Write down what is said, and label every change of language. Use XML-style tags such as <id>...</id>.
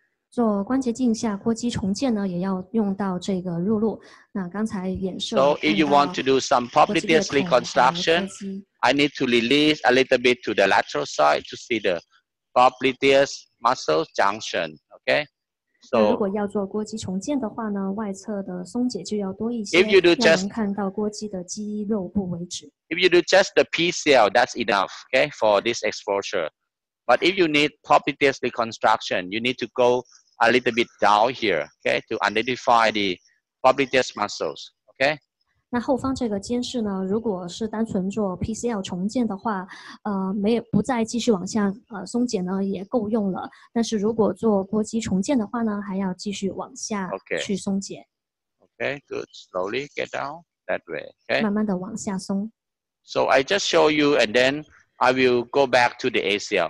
<zh>做关节镜下扩肌重建呢，也要用到这个入路。那刚才演示。So</zh> <en>if you want to do some popliteus reconstruction, I need to release a little bit to the lateral side to see the popliteus muscle junction. Okay.</en> <zh>So 如果要做腘肌重建的话呢，外侧的松解就要多一些。</zh> <en>If you do just</en> <zh>看到腘肌的肌肉部为止。</zh> <en>If you do just the PCL, that's enough. Okay, for this exposure. But if you need popliteus reconstruction, you need to go a little bit down here, okay, to identify the popliteus muscles, okay?</en> <zh>那后方这个肩室呢，如果是单纯做 PCL 重建的话，没不再继续往下松解呢，也够用了。但是如果做腘肌重建的话呢，还要继续往下去松解。Okay,</zh> <en>good. Slowly get down that way. Okay.</en> <zh>慢慢的往下松。</zh> <en>So I just show you, and then I will go back to the ACL.</en>